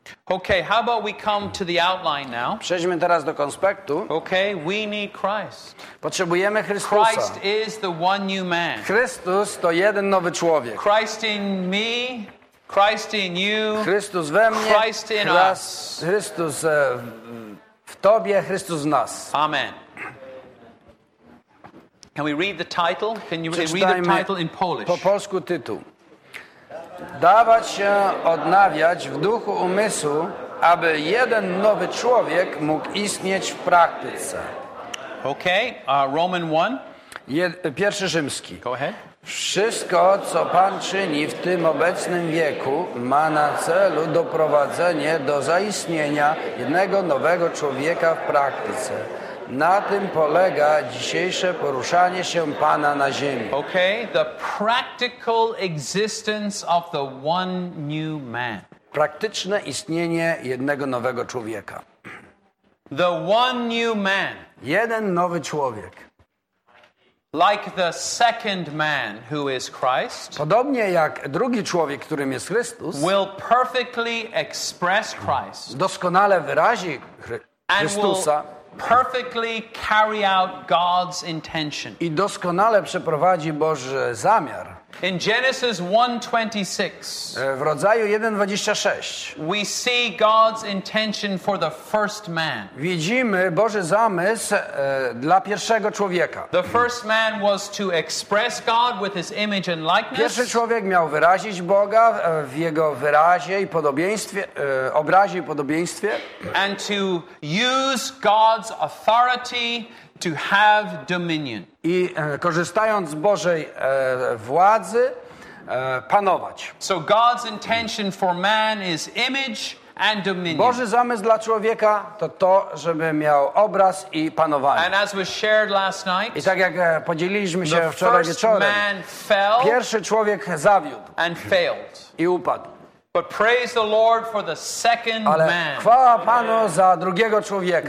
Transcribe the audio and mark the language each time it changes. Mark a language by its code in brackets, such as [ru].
[en] Okay, how about we come to the outline now? [pl] Przejdźmy teraz do konspektu. [en] Okay, we need Christ. [pl] Potrzebujemy Chrystusa. [en] Christ is the one new man. [pl] Chrystus to jeden nowy człowiek. [en] Christ in me, Christ in you, [pl] Chrystus we mnie, [en] Christ in us. [pl] Chrystus w tobie, Chrystus w nas. [en] Amen. Can we read the title? Can you read the title in Polish? [pl] Po polsku tytuł. Dawać się odnawiać w duchu umysłu, aby jeden nowy człowiek mógł istnieć w praktyce. [en] Okay, Roman 1. [pl] Pierwszy rzymski. [en] Go ahead. [pl] Wszystko, co Pan czyni w tym obecnym wieku, ma na celu doprowadzenie do zaistnienia jednego nowego człowieka w praktyce. Na tym polega dzisiejsze poruszanie się Pana na ziemi. [en] Okay, the practical existence of the one new man. [pl] Praktyczne istnienie jednego nowego człowieka. [en] The one new man. [pl] Jeden nowy człowiek. [en] Like the second man who is Christ. [pl] Podobnie jak drugi człowiek, którym jest Chrystus. [en] Will perfectly express Christ. [pl] Doskonale wyrazi Chrystusa. [en] Perfectly carry out God's intention. [pl] I doskonale przeprowadzi Boży zamiar. [en] In Genesis 1:26. [pl] W Rodzaju 1:26. [en] We see God's intention for the first man. [pl] Widzimy Boży zamysł dla pierwszego człowieka. [en] The first man was to express God with his image and likeness. [pl] Pierwszy człowiek miał wyrazić Boga w jego wyrazie i podobieństwie, obrazie i podobieństwie. [en] And to use God's authority to have dominion. [pl] I korzystając z Bożej władzy panować. [en] So God's intention for man is image and dominion. [pl] Boży zamysł dla człowieka to to, żeby miał obraz i panowanie. [en] And as was shared last night, [pl] i tak jak podzieliliśmy się wczoraj wieczorem, [en] man fell, [pl] pierwszy człowiek zawiódł [en] and failed. [pl] I upadł. [en] But praise the Lord for the second [pl] Ale [en] man. [pl] Chwała Panu za drugiego człowieka.